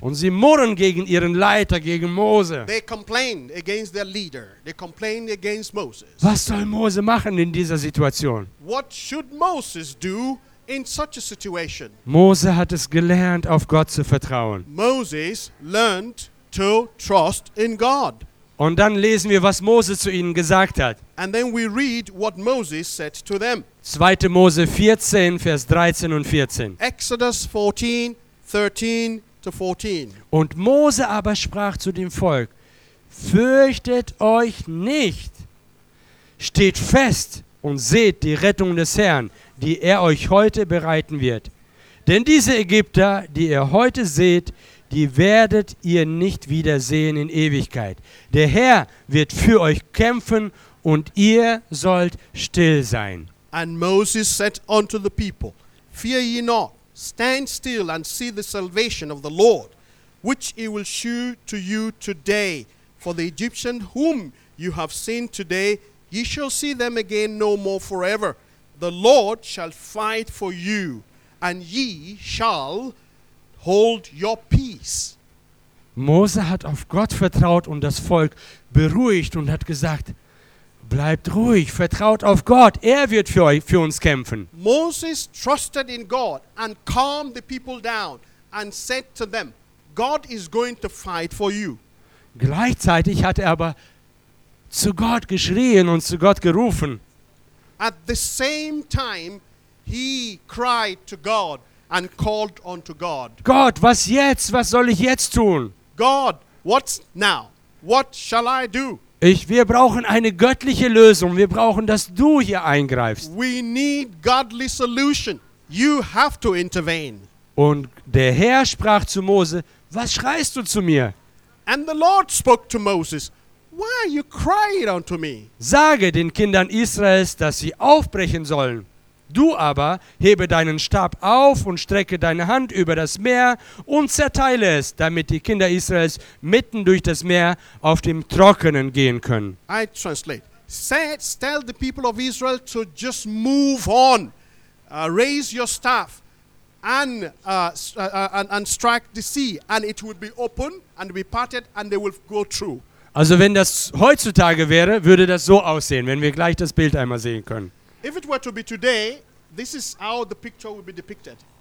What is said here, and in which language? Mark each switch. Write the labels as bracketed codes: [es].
[de] Und sie murren gegen ihren Leiter, gegen Mose. [en] They complained against their leader. They complained against Moses. [de] Was soll Mose machen in dieser Situation? [en] What should Moses do in such a situation? [de] Mose hat es gelernt, auf Gott zu vertrauen. [en] Moses learned to trust in God. [de] Und dann lesen wir, was Mose zu ihnen gesagt hat. [en] And then we read what Moses said to them. [de] 2. Mose 14, Vers 13 und 14. [en] Exodus 14, 13 to 14. [de] Und Mose aber sprach zu dem Volk, fürchtet euch nicht, steht fest und seht die Rettung des Herrn, die er euch heute bereiten wird. Denn diese Ägypter, die ihr heute seht, die werdet ihr nicht wiedersehen in Ewigkeit. Der Herr wird für euch kämpfen und ihr sollt still sein. [en] And Moses said unto the people, fear ye not, stand still and see the salvation of the Lord, which he will shew to you today. For the Egyptian whom you have seen today, ye shall see them again no more forever. The Lord shall fight for you, and ye shall hold your peace. [de] Mose hat auf Gott vertraut und das Volk beruhigt und hat gesagt, bleibt ruhig, vertraut auf Gott, er wird für euch, für uns kämpfen. [en] Moses trusted in God and calmed the people down and said to them, God is going to fight for you. [de] Gleichzeitig hat er aber zu Gott geschrien und zu Gott gerufen. [en] At the same time he cried to God and called unto God. [de] Gott, was jetzt? Was soll ich jetzt tun? [en] God, what's now? What shall I do? [de] Wir brauchen eine göttliche Lösung. Wir brauchen, dass du hier eingreifst. [en] We need godly solution. You have to intervene. [de] Und der Herr sprach zu Mose, was schreist du zu mir? [en] And the Lord spoke to Moses, why are you crying unto me? [de] Sage den Kindern Israels, dass sie aufbrechen sollen. Du aber hebe deinen Stab auf und strecke deine Hand über das Meer und zerteile es, damit die Kinder Israels mitten durch das Meer auf dem Trockenen gehen können. [en] I translate. Tell the people of Israel to just move on. Raise your staff and strike the sea and it will be open and be parted and they will go through. [de] Also wenn das heutzutage wäre, würde das so aussehen, wenn wir gleich das Bild einmal sehen können. [en] If it were to be today, this is how the picture would be depicted.